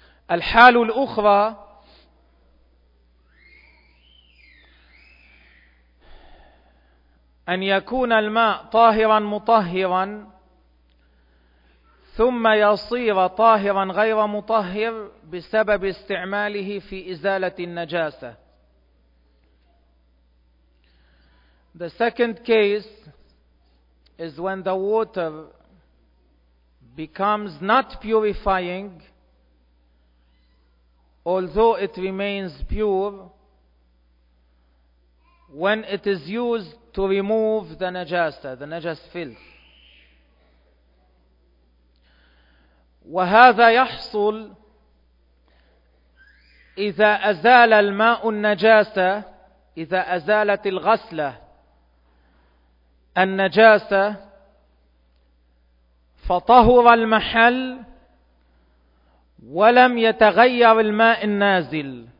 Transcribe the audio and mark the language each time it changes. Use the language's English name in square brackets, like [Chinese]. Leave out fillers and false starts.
[Arabic] الحال الأخرى أن يكون الماء طاهرا مطهرا ثم يصير طاهرا غير مطهر بسبب استعماله في إزالة النجاسة. [English] The second case is when the water becomes not purifying although it remains pure when it is used to remove the najasa, the najas filth. [Arabic] وهذا يحصل إذا أزال الماء النجاسة, إذا أزالت الغسلة النجاسة فطهر المحل ولم يتغير الماء النازل.